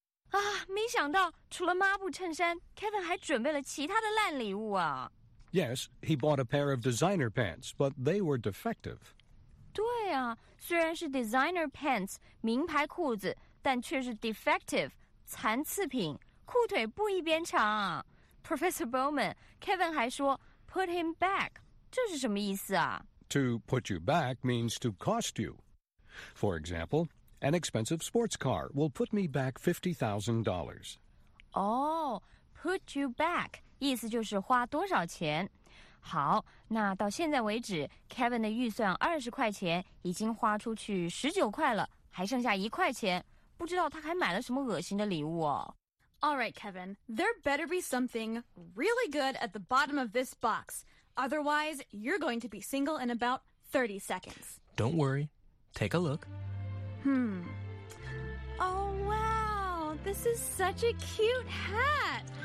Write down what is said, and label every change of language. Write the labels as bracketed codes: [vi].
[zh] 啊，没想到，除了抹布衬衫，Kevin 还准备了其他的烂礼物啊。 [en] Yes, he bought a pair of designer pants, but they were defective. [zh] 对啊，虽然是 designer pants, 名牌裤子，但却是 defective, 残次品，裤腿不一边长啊。 Professor Bowman, Kevin 还说 [en] put him back, [zh] 这是什么意思啊？ [en] To put you back means to cost you. For example, an expensive sports car will put me back $50,000. Oh, put you back, [zh] 意思就是花多少钱。好，那到现在为止 ,Kevin 的预算20块钱已经花出去19块了，还剩下1块钱。不知道他还买了什么恶心的礼物哦。 [en] All right, Kevin, there better be something really good at the bottom of this box. Otherwise, you're going to be single in about 30 seconds. Don't worry. Take a look. Oh, wow. This is such a cute hat.